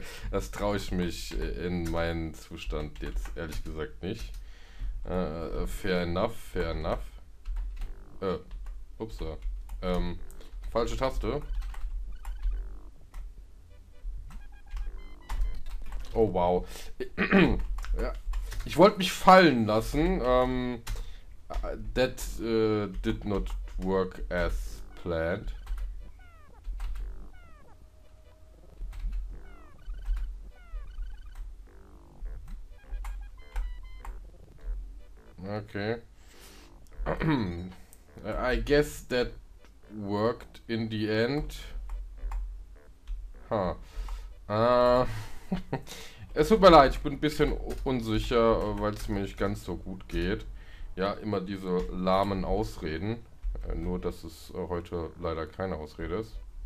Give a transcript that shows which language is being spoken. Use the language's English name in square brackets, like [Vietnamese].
[German] Das traue ich mich in meinen Zustand jetzt ehrlich gesagt nicht. [English] Fair enough, fair enough. [German] Upsa. Falsche Taste. Oh wow. Ja. Ich wollte mich fallen lassen. [English] That did not work as planned. Okay. I guess that worked in the end. Huh. [German] Es tut mir leid, ich bin ein bisschen unsicher, weil es mir nicht ganz so gut geht. Ja, immer diese lahmen Ausreden. Nur, dass es heute leider keine Ausrede ist.